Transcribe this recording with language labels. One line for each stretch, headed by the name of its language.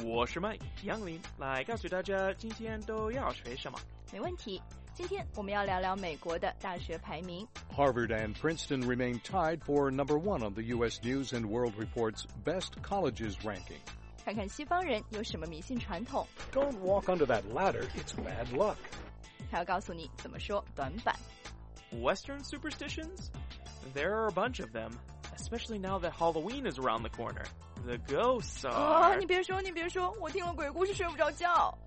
Chinese: 我是麦杨林，来告诉大家今天都要学什么。没问题，今天我们要聊聊美国的大学排名。
English: Harvard and Princeton remain tied for number one on the U.S. News and World Report's Best Colleges Ranking.
Chinese: 看看西方人有什么迷信传统。
English: Don't walk under that ladder, it's bad luck.
Chinese: 还要告诉你怎么说短板。
English: Western superstitions? There are a bunch of them, especially now that Halloween is around the corner. The ghosts are...
Chinese: 你别说，你别说，我听了鬼故事睡不着觉。